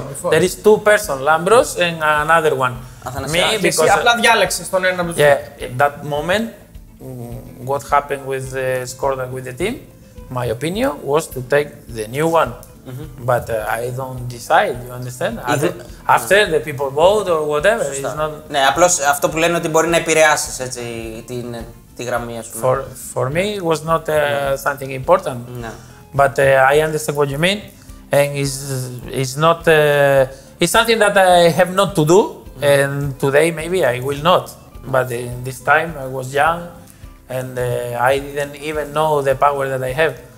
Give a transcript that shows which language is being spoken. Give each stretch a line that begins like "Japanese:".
English: There is two person, Lambros and another one. Me, because
Greek: απλά διάλεξες τον ένα από τους.
English: Yeah, that moment, what happened with the score with the team, my opinion was to take the new one. Mm-hmm. But I don't decide, you understand? After the people vote or whatever, it's not.
Greek: Ναι, απλώς αυτό που λένε ότι μπορεί να επηρεάσεις έτσι την.
English: For me, it was not something important. No. But I understand what you mean, and it's not it's something that I have not to do. Mm-hmm. And today, maybe I will not. But in this time, I was young, and I didn't even know the power that I have.